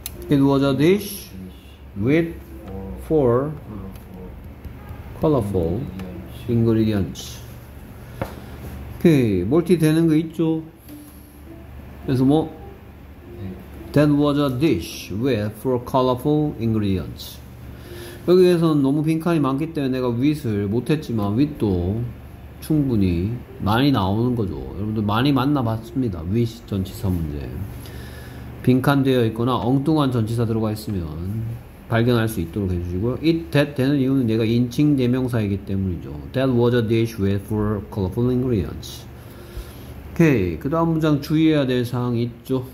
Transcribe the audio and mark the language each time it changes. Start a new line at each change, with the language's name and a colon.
English: It was a dish with four colorful ingredients.
Korean: Okay, 멀티 되는 거 있죠? 그래서 뭐?
English: That was a dish with four colorful ingredients.
Korean: 여기에서는 너무 빈칸이 많기 때문에 내가 with을 못했지만 with도 충분히 많이 나오는 거죠. 여러분들 많이 만나봤습니다. with 전치사 문제. 빈칸 되어 있거나 엉뚱한 전치사 들어가 있으면 발견할 수 있도록 해주시고요. It, that 되는 이유는 얘가 인칭 대명사이기 때문이죠.
English: That was a dish with four colorful ingredients.
Korean: 오케이. 그 다음 문장 주의해야 될 사항이 있죠.